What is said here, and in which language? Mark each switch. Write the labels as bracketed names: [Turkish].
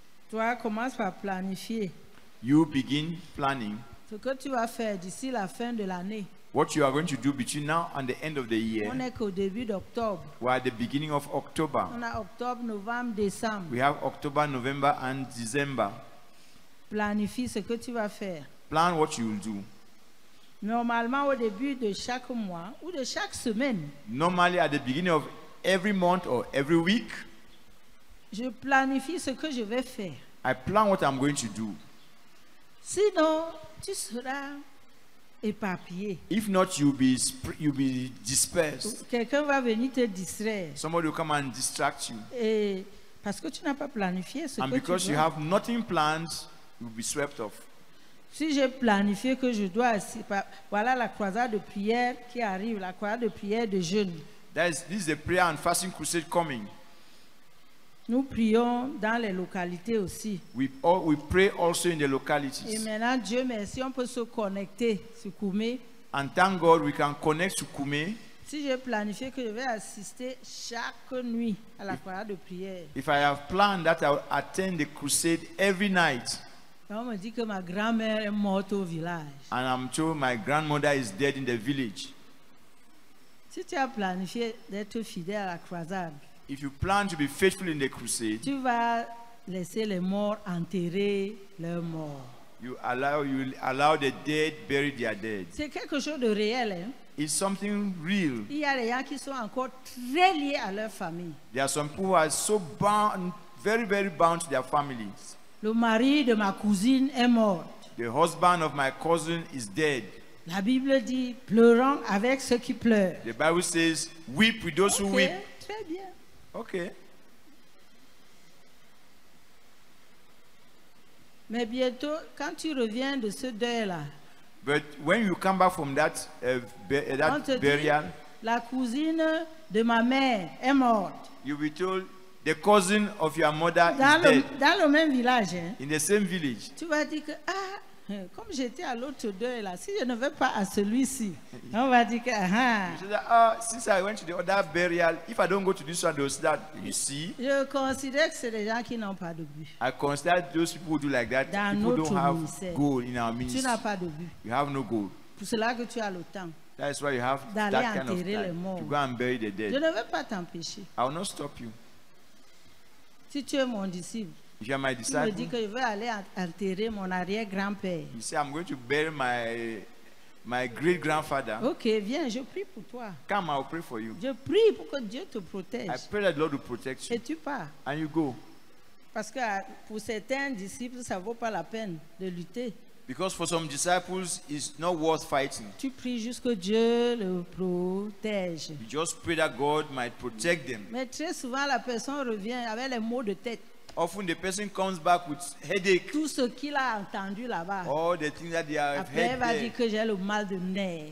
[French] Toi, commence par planifier. [English] You begin planning. [French] Ce que tu vas faire d'ici la fin de l'année. [English] What you are going to do between now and the end of the year. [French] On est qu'au début d'octobre. [English] We are at the beginning of October. [French] On a octobre, novembre, décembre. [English] We have October, November and December. [French] Planifie ce que tu vas faire. [English] Plan what you will do. [French] Normalement au début de chaque mois ou de chaque semaine. [English] Normally at the beginning of every month or every week. [French] Je planifie ce que je vais faire. [English] I plan what I'm going to do. [French] Sinon, tu seras éparpillé. [English] If not, you'll be dispersed. [French] Quelqu'un va venir te distraire. [English] Somebody will come and distract you. [French] Et parce que tu n'as pas planifié ce [English] and [French] que [English] because [French] tu veux. [English] You have nothing planned, you'll be swept off. [French] Si j'ai planifié que je dois assister, voilà la croisade de prière qui arrive, la croisade de prière de jeûne. [English] This is the prayer and fasting crusade coming. [French] Nous prions dans les localités aussi. [English] We pray also in the localities. [French] Et maintenant, Dieu merci, on peut se connecter sur Koumé. [English] And thank God we can connect to Koumé. [French] Si j'ai planifié que je vais assister chaque nuit à la croisade de prière. [English] If I have planned that I will attend the crusade every night. [French] On me dit que ma grand-mère est morte au village. [English] And I'm told my grandmother is dead in the village. [French] Si tu as planifié d'être fidèle à la croisade. [English] If you plan to be faithful in the crusade. [French] Tu vas laisser les morts enterrer leurs morts. [English] You allow the dead bury their dead. [French] C'est quelque chose de réel, hein? [English] It's something real. [French] Il y a des gens qui sont encore très liés à leur famille. [English] There are some people who are so bound, very very bound to their families. [French] Le mari de ma cousine est mort. [English] The husband of my cousin is dead. [French] La Bible dit, pleurons avec ceux qui pleurent. [English] The Bible says, weep with those okay, who weep. [French] Très bien. [English] Okay. [French] Mais bientôt, quand tu reviens de ce deuil-là, [English] but when you come back from that burial, [French] dit, la cousine de ma mère est morte. [English] You'll be told, the cousin of your mother [French] dans [English] is [French] le, [English] dead. [French] Dans le même village, hein? [English] In the same village. [French] Tu vas dire que, ah, comme j'étais à l'autre deuil là, si je ne vais pas à celui-ci, on va dire que, ah. [English] Since I went to the other burial, if I don't go to this one, those that, you see. [French] Je considère que c'est des gens qui n'ont pas de but. [English] I consider those people who do like that, [French] dans [English] people [French] notre [English] don't have [French] ministère. [English] Goal in our ministry. [French] Tu n'as pas de but. [English] You have no goal. [French] Pour cela que tu as le temps. [English] That is why you have [French] d'aller [English] that kind of time to go and bury the dead. [French] Je ne vais pas t'empêcher. [English] I will not stop you. [French] Si tu es mon disciple, [English] if you are my disciple, [French] tu me dis que je veux aller enterrer mon arrière-grand-père. [English] You say I'm going to bury my great-grandfather. [French] Ok, viens, je prie pour toi. [English] Come, I'll pray for you. [French] Je prie pour que Dieu te protège. [English] I pray that the Lord will protect you. [French] Et tu pars. [English] And you go. [French] Parce que pour certains disciples, ça vaut pas la peine de lutter. [English] Because for some disciples, it's not worth fighting. [French] Tu pries juste que Dieu le protège. [English] You just pray that God might protect them. [French] Mais très souvent, la personne revient avec les maux de tête. [English] Often the person comes back with headache. [French] Tout ce qu'il a entendu là-bas. [English] All the things that they have heard. [French] Après, va dire que j'ai le mal de nerf.